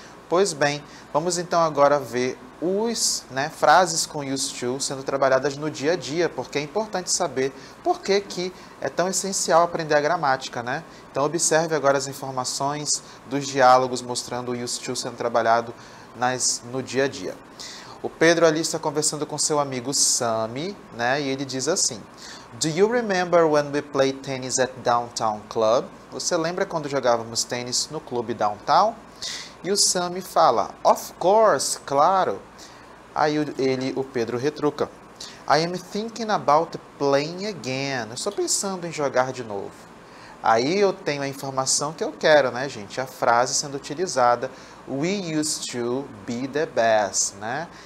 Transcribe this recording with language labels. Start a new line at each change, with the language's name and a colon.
Portuguese: Pois bem, vamos então agora ver os, né, frases com used to sendo trabalhadas no dia a dia, porque é importante saber por que que é tão essencial aprender a gramática, né? Então, observe agora as informações dos diálogos mostrando o used to sendo trabalhado no dia a dia. O Pedro ali está conversando com seu amigo Sammy, né? E ele diz assim:
English: Do you remember when we played tennis at Downtown Club?
Portuguese: Você lembra quando jogávamos tênis no clube Downtown? E o Sammy fala:
English: Of course,
Portuguese: claro. Aí ele, o Pedro, retruca:
English: I am thinking about playing again.
Portuguese: Eu estou pensando em jogar de novo. Aí eu tenho a informação que eu quero, né, gente? A frase sendo utilizada:
English: We used to be the best,
Portuguese: né?